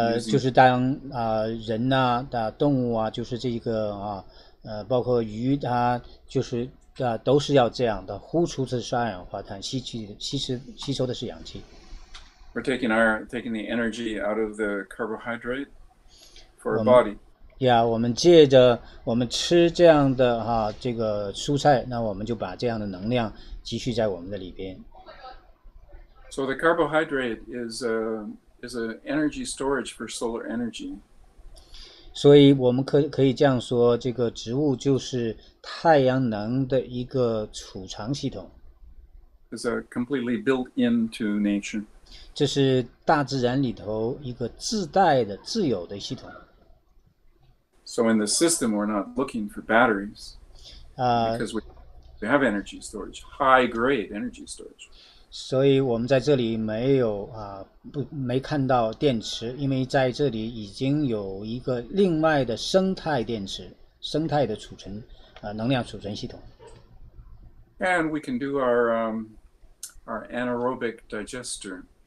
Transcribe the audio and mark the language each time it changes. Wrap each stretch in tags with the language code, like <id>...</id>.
<zh>就是当人呐、动物啊，就是这一个啊，包括鱼，它就是都是要这样的，呼出的是二氧化碳，吸收的是氧气。</zh> <en>We're taking our taking the energy out of the carbohydrate for our body.</en> <zh>Yeah, 我们借着我们吃这样的哈、啊、这个蔬菜，那我们就把这样的能量积蓄在我们的里边。</zh> <en>So the carbohydrate is a energy storage for solar energy.</en> <zh>所以我们可以这样说，这个植物就是太阳能的一个储藏系统。</zh> <en>It's a completely built into nature.</en> <zh>这是大自然里头一个自带的自有的系统。</zh> <en>So in the system, we're not looking for batteries, because we have energy storage, high grade energy storage.</en> <zh>所以我们在这里没有啊，不没看到电池，因为在这里已经有一个另外的生态电池，生态的储存啊，能量储存系统。</zh> <en>And we can do our anaerobic digester.</en>